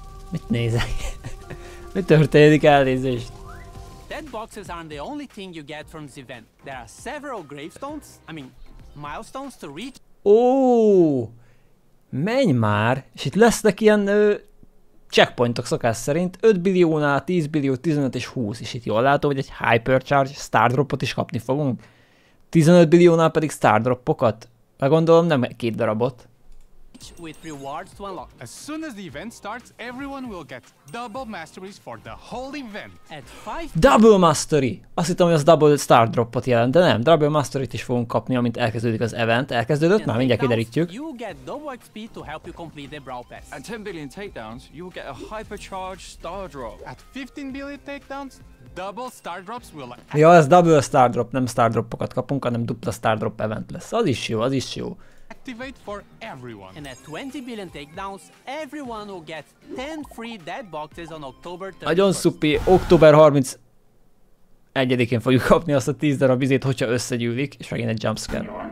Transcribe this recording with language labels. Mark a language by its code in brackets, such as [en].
[hu] Mit nézek? Mi történik, elnézést? [en] Dead boxes aren't the only thing you get from this event. There are several gravestones, I mean, milestones to reach. [hu] Ó, menj már, és itt lesznek ilyen checkpointok szokás szerint, 5 billiónál, 10 billió, 15 és 20, és itt jól látom, hogy egy hypercharge stardropot is kapni fogunk. 15 billiónál pedig stardropokat, meg gondolom nem két darabot. [en] With rewards to unlock. As soon as the event starts, everyone will get double masteries for the whole event. At 5 double mastery. [hu] Azt hittem, hogy az double star dropot jelent, de nem. Double masteryt is fogunk kapni, amint elkezdődik az event. Elkezdődött, már mindjárt kiderítjük. [en] You get double XP to help you complete the brawl pass. At 10 billion takedowns, you will get a hypercharged star drop. At 15 billion takedowns, double star drops will. [hu] Ja, ez double star drop, nem star dropokat kapunk, hanem dupla star drop event lesz. Az is jó, az is jó. [en] Activate for everyone. And at 20 billion takedowns, everyone will get 10 free dead boxes on October 31st. [hu] Nagyon szupi, október 31-én fogjuk kapni azt a 10 darab vizét, hogyha összegyűlik, és megint egy jumpscare.